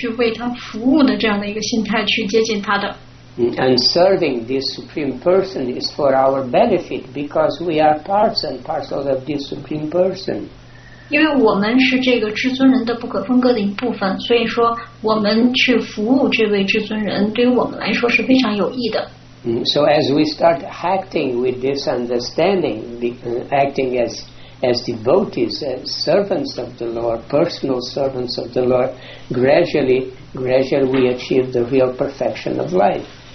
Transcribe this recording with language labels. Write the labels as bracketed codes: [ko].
[zh] 那我们去接近他呢，我们是知道他是一个人的，所以说呢，我们是一个想做他的这个，就是做这个人的仆人，并且呢，去为他服务的这样的一个心态去接近他的。 [en] And serving this Supreme Person is for our benefit because we are parts and parcels of this Supreme Person. [zh] 因为我们是这个至尊人的不可分割的一部分，所以说我们去服务这位至尊人，对于我们来说是非常有益的。 [en] So as we start acting with this understanding, acting as devotees, as servants of the Lord, personal servants of the Lord, gradually we achieve the real perfection of life.